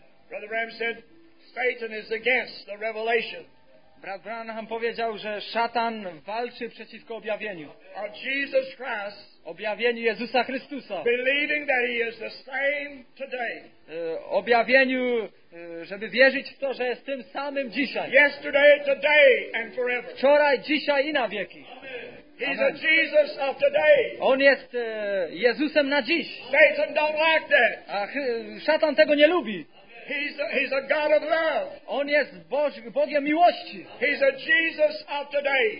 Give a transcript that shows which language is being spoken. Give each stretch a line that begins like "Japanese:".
English: Brother Branham said Satan is against the revelation.
Polish: Brat Branham powiedział, że szatan walczy przeciwko objawieniu.
English: Our Jesus Christ,
Polish: objawieniu Jezusa Chrystusa.
English: Believing that he is the same today.
Polish: Objawieniu, żeby wierzyć w to, że jest tym samym dzisiaj.
English: Yesterday, today and forever.
Polish: Wczoraj, dzisiaj i na wieki.
English: He's a Jesus of today.
Polish: On jest Jezusem na dziś.
English: Satan don't like that.
Polish: Szatan tego nie lubi.
English: He's a God of love.
Polish: On jest Bogiem miłości.
English: He's a Jesus of today.